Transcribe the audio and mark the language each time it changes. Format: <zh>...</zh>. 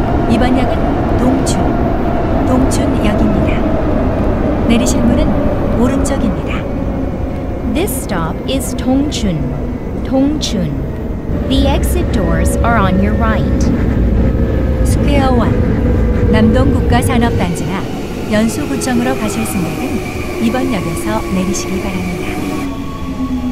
<ko>이번 역은 동춘, 동춘역입니다. 내리실 문은 오른쪽입니다.</ko> <en>This stop is Dongchun. Dongchun. The exit doors are on your right. Square 1.</en> <ko>남동국가산업단지나 연수구청으로 가실 승객은 이번 역에서 내리시기 바랍니다.</ko>